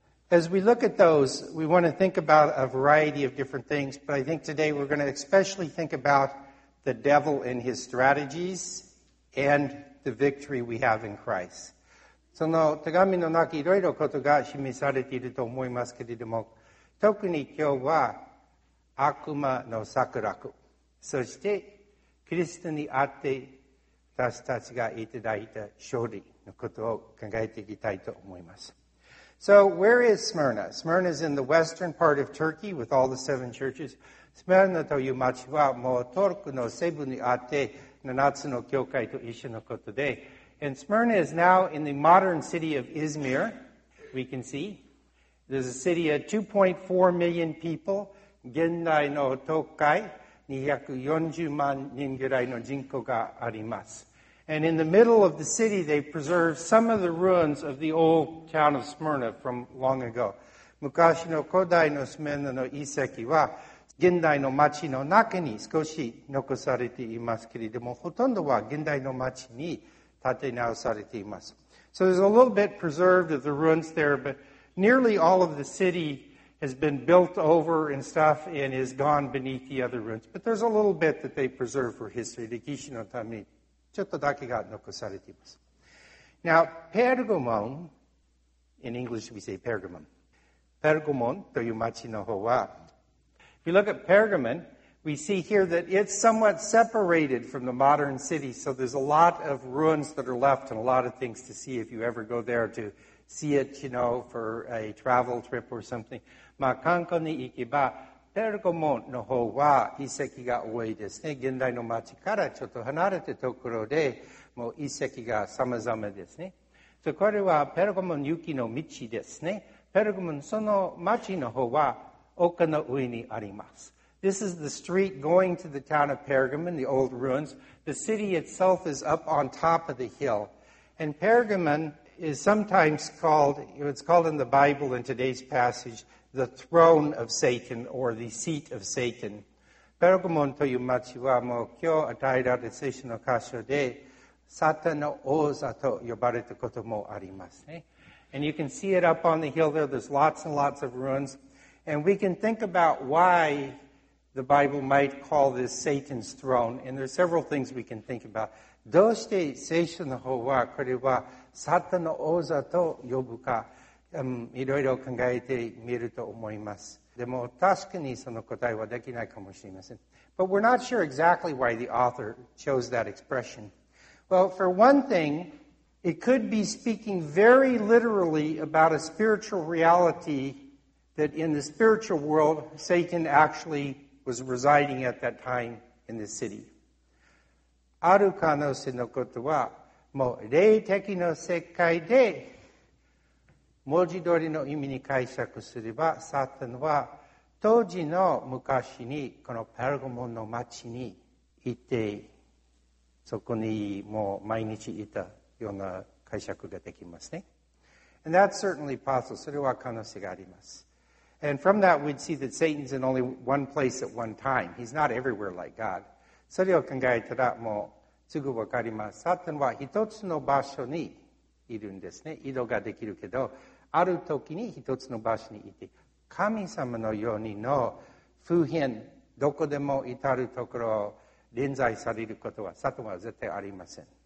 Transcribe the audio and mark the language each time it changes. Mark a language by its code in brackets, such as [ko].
[en] As we look at those, we want to think about a variety of different things, but I think today we're going to especially think about the devil and his strategies and the victory we have in Christ. [ja] その手紙の中いろいろことが示されていると思いますけれども、特に今日は悪魔の策略、そしてキリストにあって私たちがいただいた勝利のことを考えていきたいと思います。 [en] So where is Smyrna? Smyrna is in the western part of Turkey with all the seven churches. [ja] Smyrna という町はもうトルコの西部にあって7つの教会と一緒のことで、 [en] And Smyrna is now in the modern city of Izmir, we can see. There's a city of 2.4 million people. [ja] 現代の東海、240万人ぐらいの人口があります。 [en] And in the middle of the city, they preserve some of the ruins of the old town of Smyrna from long ago. [ja] 昔の古代のスメルナの遺跡は、現代の町の中に少し残されていますけれども、ほとんどは現代の町に建て直されています。 [en] So there's a little bit preserved of the ruins there, but nearly all of the city has been built over and stuff and is gone beneath the other ruins. But there's a little bit that they preserve for history, [ja] 歴史のために。ちょっとだけが残されています。 [en] Now, Pergamon, in English we say Pergamon. [ja] Pergamon という町の方は、 [en] If you look at Pergamon, we see here that it's somewhat separated from the modern city, so there's a lot of ruins that are left and a lot of things to see if you ever go there to see it, you know, for a travel trip or something. [ja] まあ、観光に行けば、ペルゴモンの方は遺跡が多いですね。現代の町からちょっと離れたところでもう遺跡が様々ですね。 So、これはペルゴモン行きの道ですね。ペルゴモンその町の方は丘の上にあります。 [en] This is the street going to the town of Pergamon, the old ruins. The city itself is up on top of the hill. And Pergamon is sometimes called, it's called in the Bible in today's passage,The throne of Satan or the seat of Satan. [ja] ペルゴモンという町はもう今日与えられた聖書の箇所でサタンの王座と呼ばれたこともありますね。 [en] And you can see it up on the hill there. There's lots and lots of ruins. And we can think about why the Bible might call this Satan's throne. And there's several things we can think about. [ja] どうして聖書の方はこれはサタンの王座と呼ぶか。いろいろ考えてみると思います。でも確かにその答えはできないかもしれません。 [en] But we're not sure exactly why the author chose that expression. Well, for one thing, it could be speaking very literally about a spiritual reality that in the spiritual world, Satan actually was residing at that time in the city. [ja] ある可能性のことは、もう霊的な世界で文字通りの意味に解釈すれば、サタンは当時の昔にこのペルゴモンの町にいて、そこにもう毎日いたような解釈ができますね。 [en] And that's certainly possible. [ja] それは可能性があります。 [en] And from that we'd see that Satan's in only one place at one time. He's not everywhere like God. [ja] それを考えたらもうすぐわかります。サタンは一つの場所にいるんですね。移動ができるけど、ある時に一つの場所にいて、神様のようにの普遍、どこでも至るところ臨在されることは、サタンは絶対ありません。